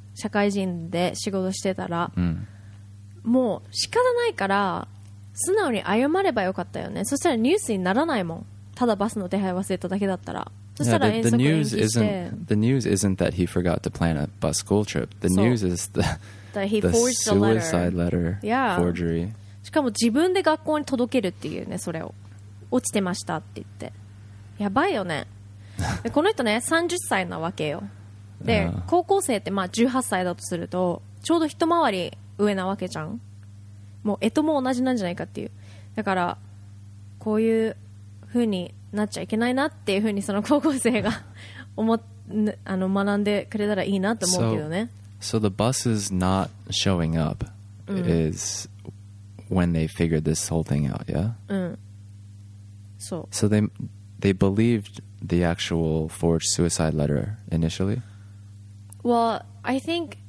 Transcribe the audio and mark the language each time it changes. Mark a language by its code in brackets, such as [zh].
[ja] 社会人で仕事してたら、もう仕方ないから素直に謝ればよかったよね。そしたらニュースにならないもん。ただバスの手配忘れただけだったら。そしたら遠足延期して。 [en] Yeah, the news isn't that he forgot to plan a bus school trip. The news is that he forged the suicide letter. Yeah. Forgery. [ja] しかも自分で学校に届けるっていうね、それを落ちてましたって言って。やばいよね。この人ね、30歳なわけよ。で、高校生ってまあ18歳だとするとちょうど一回り上なわけじゃん。もう絵とも同じなんじゃないかっていう。だからこういう風になっちゃいけないなっていう風にその高校生が学んでくれたらいいなと思うけどね。 [en] So the buses not showing up is when they figured this whole thing out, yeah? [ja] そう。 [en] So they believed the actual forged suicide letter initially? Well, I think...